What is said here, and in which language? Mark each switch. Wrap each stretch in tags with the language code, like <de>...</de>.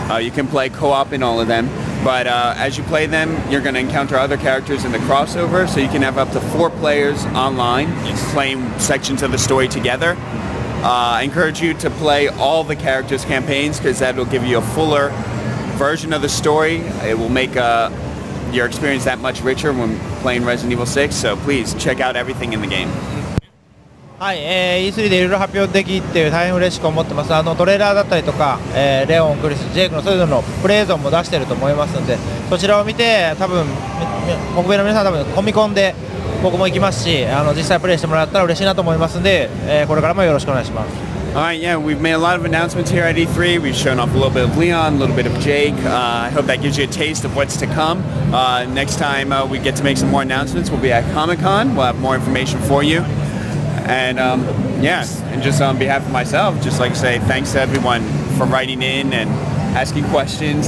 <en>You can play co-op in all of them, but as you play them, you're going to encounter other characters in the crossover, so you can have up to four players online playing sections of the story together. I encourage you to play all the characters' campaigns because that will give you a fuller version of the story. It will make your experience that much richer when playing Resident Evil 6, so please check out everything in the game.</en> <ja>はい、E3 でいろいろ発表できて大変嬉しく思ってます。トレーラーだったりとか、レオン、クリス、ジェイクのそれぞれのプレイゾーンも出してると思いますので、そちらを見て多分北米の皆さん多分コミコンで僕も行きますし、実際プレイしてもらったら嬉しいなと思いますので、これからもよろしくお願いします。</ja> <en>Alright, yeah, we've made a lot of announcements here at E3. We've shown off a little bit of Leon, a little bit of Jake. I hope that gives you a taste of what's to come. Next time we get to make some more announcements, we'll be at Comic-Con. We'll have more information for you. And and just on behalf of myself, just like to say thanks to everyone for writing in and asking questions.</en>